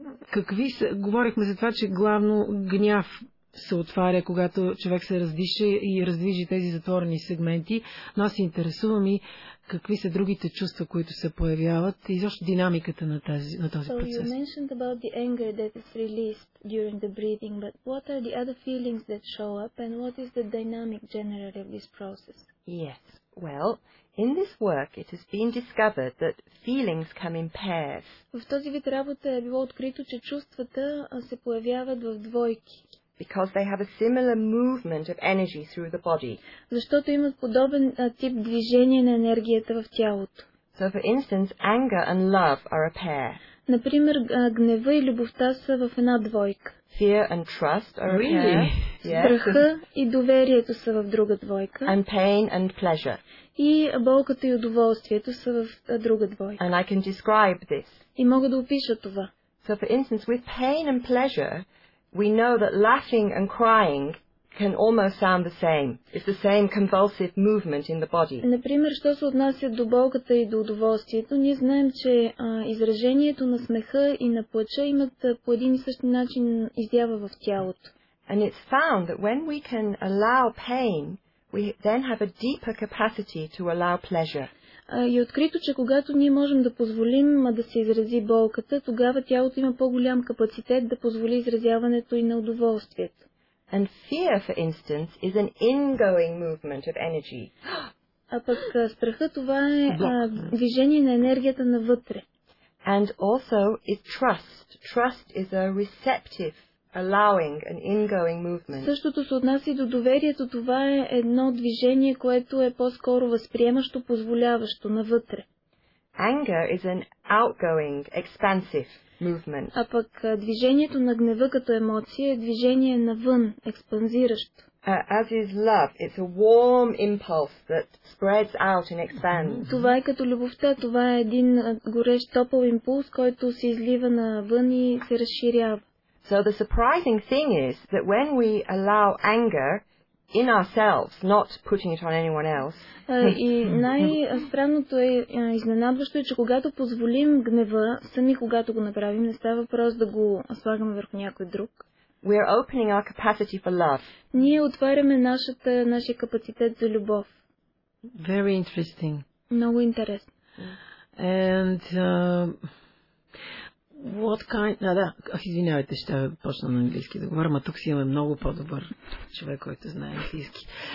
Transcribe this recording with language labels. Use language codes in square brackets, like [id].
[bg] Какви са, говорихме за това, че главно гняв се отваря, когато човек се раздиша и раздвижи тези затворени сегменти, но аз се интересувам и какви са другите чувства, които се появяват и защо динамиката на този процес. [en] So you mentioned about the anger that is released during the breathing, but what are the other feelings that show up and what is the dynamic generally of this process? Yes, well, in this work it has been discovered that feelings come in pairs. [bg] В този вид работа е било открито, че чувствата се появяват в двойки. [en] Because they have a similar movement of energy through the body. [bg] Защото имат подобен тип движение на енергията в тялото. [en] So for instance, anger and love are a pair. [bg] Например, гнева и любовта са в една двойка. [en] Fear and trust are really? A pair. Yes. [bg] Страха и доверието са в друга двойка. [en] And pain and pleasure. [bg] И болката и удоволствието са в друга двойка. [en] And I can describe this. [bg] И мога да опиша това. [en] So for instance, with pain and pleasure, we know that laughing and crying can almost sound the same. It's the same convulsive movement in the body. [bg] Например, що се отнася до болката и до удоволствието, ние знаем, че изражението на смеха и на плача имат по един и същи начин изява в тялото. [en] And it's found that when we can allow pain, we then have a deeper capacity to allow pleasure. [bg] И открито, че когато ние можем да позволим да се изрази болката, тогава тялото има по-голям капацитет да позволи изразяването и на удоволствието. [en] And fear, for instance, is an ingoing movement of energy. [bg] А пък страха това е движение на енергията навътре. [en] And also is trust. Trust is a receptive, allowing an ingoing movement. [bg] Същото се отнася и до доверието, това е едно движение, което е по-скоро възприемащо, позволяващо навътре. [en] Anger is an outgoing, expansive movement. [bg] А пък движението на гнева като емоция е движение навън, експанзиращо. [en] As is love, it's a warm impulse that spreads out and expands. [bg] Това е като любовта, това е един горещ топъл импулс, който се излива навън и се разширява. [en] So the surprising thing is that when we allow anger in ourselves, not putting it on anyone else. [bg] И най-странното е, изненадващо е, че когато позволим гнева, сами когато го направим, не става въпрос да го слагаме върху някой друг. [en] We are opening our capacity for love. [bg] Ние отваряме нашия капацитет за любов. [en] Very interesting. [bg] Много интересно. [en] And what kind? [bg] Извинявайте, ще почна на английски да говоря, но тук си имаме много по-добър човек, който знае английски.